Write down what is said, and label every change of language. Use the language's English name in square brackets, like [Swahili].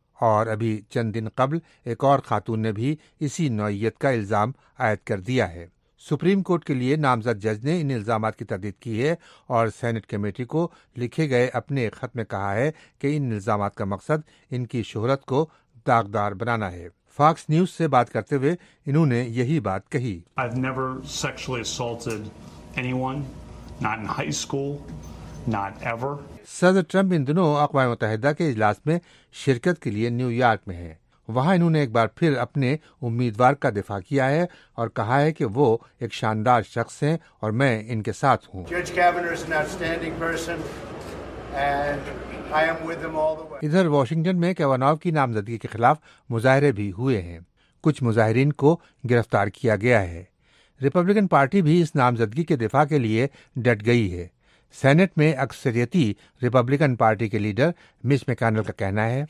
[Urdu] اور ابھی چند دن قبل ایک اور خاتون نے بھی اسی نوعیت کا الزام عائد کر دیا ہے۔ سپریم کورٹ کے لیے نامزد جج نے ان الزامات کی تردید کی ہے اور سینٹ کمیٹی کو لکھے گئے اپنے خط میں کہا ہے کہ ان الزامات کا مقصد ان کی شہرت کو داغدار بنانا ہے۔ فاکس نیوز سے بات کرتے ہوئے انہوں نے یہی بات کہی۔ [English] I've never sexually assaulted anyone, not in high school, not ever. [Urdu] صدر ٹرمپ ان دنوں اقوام متحدہ کے اجلاس میں شرکت کے لیے نیو یارک میں ہیں۔ وہاں انہوں نے ایک بار پھر اپنے امیدوار کا دفاع کیا ہے اور کہا ہے کہ وہ ایک شاندار شخص ہیں اور میں ان کے ساتھ ہوں۔ [English] Judge Kavanaugh is an outstanding person and I am with them all the way. [Urdu] ادھر واشنگٹن میں کیوناو کی نامزدگی کے خلاف مظاہرے بھی ہوئے ہیں، کچھ مظاہرین کو گرفتار کیا گیا ہے۔ ریپبلکن پارٹی بھی اس نامزدگی کے دفاع کے لیے ڈٹ گئی ہے۔ سینٹ میں اکثریتی ریپبلکن پارٹی کے لیڈر مچ میکنل کا کہنا ہے،